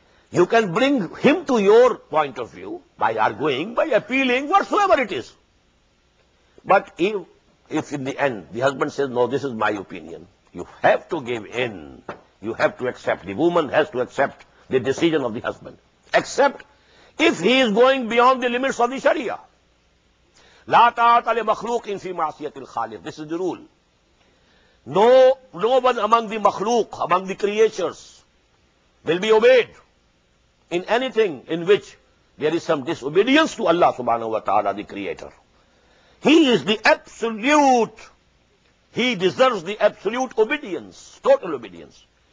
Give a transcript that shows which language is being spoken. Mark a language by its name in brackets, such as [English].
[English] You can bring him to your point of view by arguing, by appealing, whatsoever it is. But if in the end the husband says, no, this is my opinion, you have to give in. You have to accept. The woman has to accept the decision of the husband. Except if he is going beyond the limits of the Sharia. [Arabic] لا تعطى لمخلوق في معصية الخالق. [English] This is the rule. No one among the makhluq, among the creatures, will be obeyed in anything in which there is some disobedience to Allah subhanahu wa ta'ala, the creator. He is the absolute, he deserves the absolute obedience, total obedience.